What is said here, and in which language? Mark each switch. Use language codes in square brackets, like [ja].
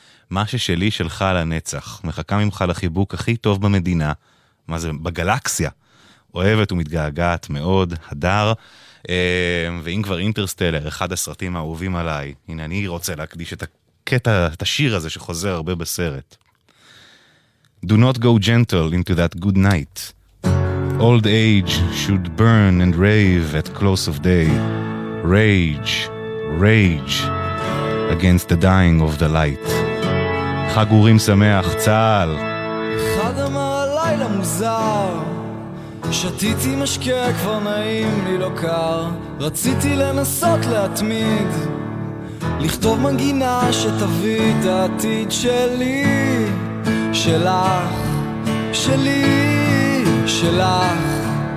[he] מה ששלי שלך לנצח, מחכה ממך לחיבוק הכי טוב במדינה, מה זה, בגלקסיה. אוהבת ומתגעגעת מאוד, הדר, ואם כבר אינטרסטלר, אחד הסרטים האהובים עליי, הנה אני רוצה להקדיש את הקטע, את השיר הזה שחוזר הרבה בסרט. [en] Do not go gentle into that good night. Old age should burn and rave at close of day. Rage, rage against the dying of the light. [he] חג אורים שמח, צהל. אחד אמר הלילה מוזר, שתיתי משקה כבר נעים לי לא קר, רציתי לנסות להתמיד, לכתוב מנגינה שתביא את העתיד שלי, שלך, שלי, שלך.